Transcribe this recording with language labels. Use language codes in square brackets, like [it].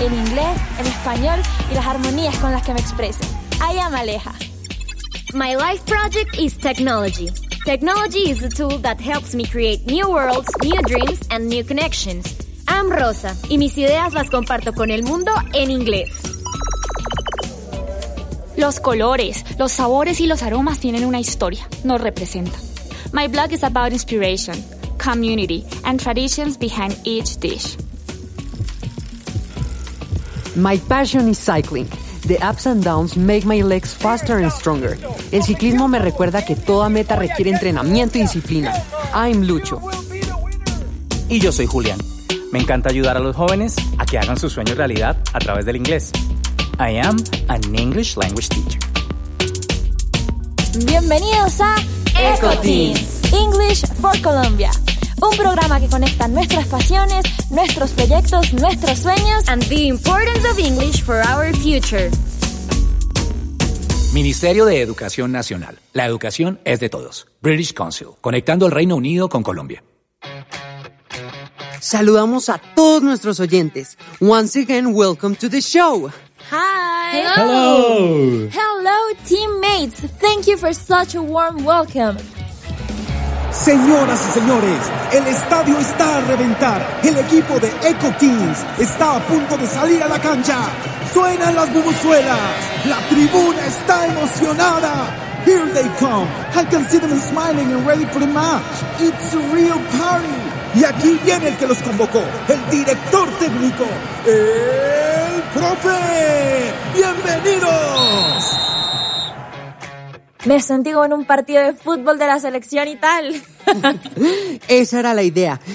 [es] El inglés, el español y las armonías con las que me expreso. [en] I am Aleja. My life project is technology. Technology is a tool that helps me create new worlds, new dreams, and new connections. I'm Rosa, [es] y mis ideas las comparto con el mundo en inglés. Los colores, los sabores y los aromas tienen una historia, nos representan. [en] My blog is about inspiration, community, and traditions behind each dish. My passion is cycling. The ups and downs make my legs faster and stronger. [es] El ciclismo me recuerda que toda meta requiere entrenamiento y disciplina. [en] I'm Lucho. [es] Y yo soy Julián. Me encanta ayudar a los jóvenes a que hagan sus sueños realidad a través del inglés. [en] I am an English language teacher. [es] Bienvenidos a [en] EcoTeens, English for Colombia. [es] Un programa que conecta nuestras pasiones, nuestros proyectos, nuestros sueños [en] and the importance of English for our future. [es] Ministerio de Educación Nacional. La educación es de todos. British Council. Conectando el Reino Unido con Colombia. Saludamos a todos nuestros oyentes. [en] Once again, welcome to the show. Hi. Hello. Hello, teammates. Thank you for such a warm welcome. [es] Señoras y señores, el estadio está a reventar. El equipo de EcoTeens está a punto de salir a la cancha. Suenan las bubuzuelas. La tribuna está emocionada. [en] Here they come. I can see them smiling and ready for the match. It's a real party. [es] Y aquí viene el que los convocó, el director técnico, el profe. ¡Bienvenidos! Me sentí como en un partido de fútbol de la selección y tal. Esa era la idea.